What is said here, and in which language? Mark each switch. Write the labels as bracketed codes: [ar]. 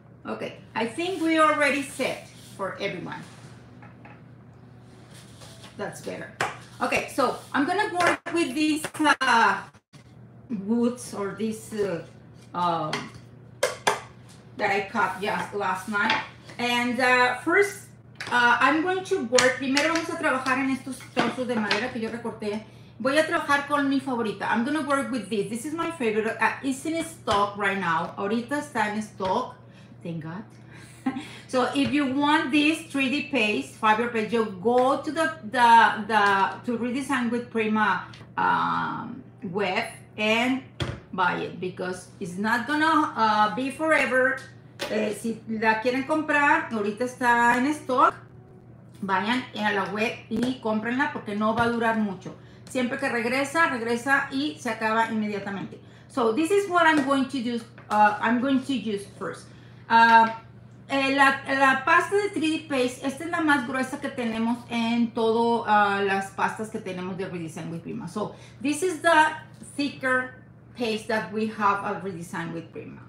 [en] Okay, I think we already set for everyone. That's better. Okay, so I'm gonna work with these woods or this that I cut just last night. And first, I'm going to work. [es] Primero vamos a trabajar en estos trozos de madera que yo recorté. Voy a trabajar con mi favorita. [en] I'm going to work with this. This is my favorite. It's in stock right now. [es] Ahorita está en stock. [en] Thank God. So if you want this 3D paste, fiber paste, you go to the Redesign with Prima web and buy it, because it's not going to be forever. [es] Si la quieren comprar, ahorita está en stock, vayan a la web y cómprenla porque no va a durar mucho. Siempre que regresa, regresa y se acaba inmediatamente. [en] So this is what I'm going to use first. [es] La pasta de 3D paste, esta es la más gruesa que tenemos en todas las pastas que tenemos de Redesign with Prima. [en] So this is the thicker paste that we have already designed with Prima.